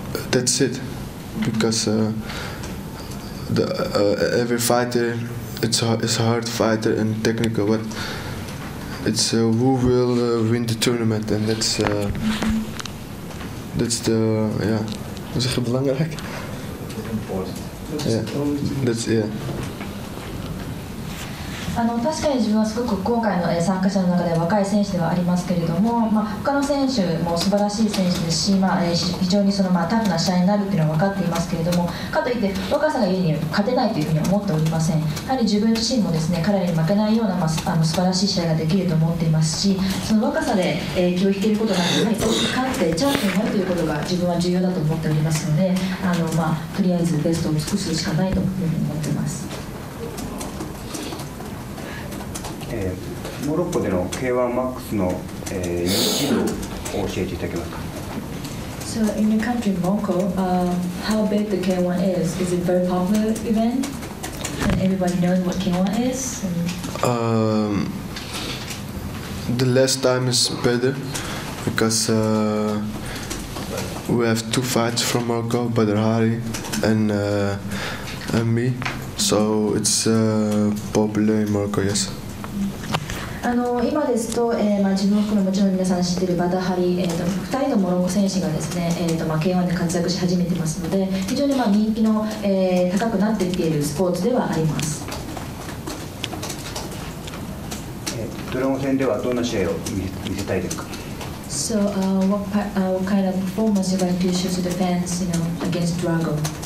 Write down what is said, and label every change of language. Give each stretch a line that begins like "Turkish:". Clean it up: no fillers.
English: That's it, because every fighter, it's a hard fighter and technical, but it's who will win the tournament, and that's the belangrijk. Yeah, that's yeah.
Japanese: あの確かに自分はすごく今回の参加者の中で若い選手ではありますけれども、まあ、他の選手も素晴らしい選手ですし、まあ、非常にその、まあ、タフな試合になるというのは分かっていますけれども、かといって若さが故に勝てないというふうに思っておりません。やはり自分自身もですね、彼らに負けないような、まあ、あの素晴らしい試合ができると思っていますし、その若さで気を引けることがない、勝ってチャンスになるということが自分は重要だと思っておりますので、あの、まあ、とりあえずベストを尽くすしかないというふうに思っています。モロッコでの K1MAX の人気度を教えていただけますか。
English: So in your country Morocco, how big the K1 is? Is it very popular event? And everybody knows what K1 is? The last time is better because we have two fights from Morocco, Badr Hari and me. So it's popular in Morocco, yes.
Japanese: あの今ですと、まあ、自分含めもちろん皆さん知っているバダハリ、2人のモロッコ選手がですね、まあ、K1 で活躍し始めてますので非常にまあ人気の、高くなってきているスポーツではあります。ドラゴン戦ではどんな試合を見せたいですか。
English: So, what kind of performance you're going to show to the fans, you know, against Dragon?